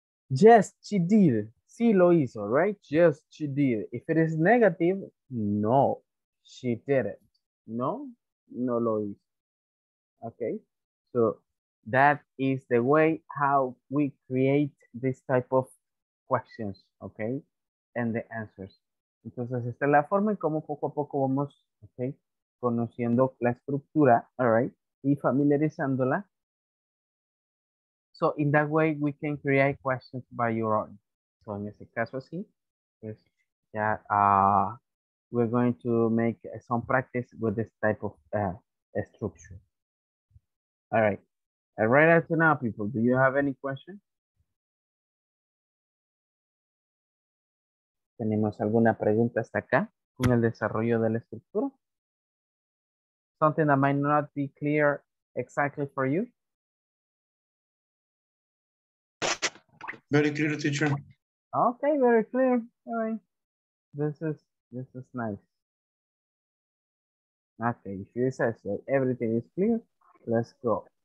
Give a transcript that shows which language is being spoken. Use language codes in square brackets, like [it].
[en] Yes, she did. [es] Sí lo hizo, [en] right? Yes, she did. If it is negative, no, she didn't. [es] No, no lo hizo. [en] Okay, so that is the way how we create this type of questions, okay? And the answers. [es] Entonces, esta es la forma en cómo poco a poco vamos, okay, conociendo la estructura, all right, y familiarizándola. [en] So, in that way, we can create questions by your own. So, [es] en este caso, sí, pues ya, [en] we're going to make some practice with this type of structure. All right. And right after now, people, do you have any question? [es] ¿Tenemos alguna pregunta hasta acá con el desarrollo de la estructura? [en] Something that might not be clear exactly for you? Very clear, teacher. Okay, very clear. All right. This is nice. Okay, if you say so, everything is clear, let's go.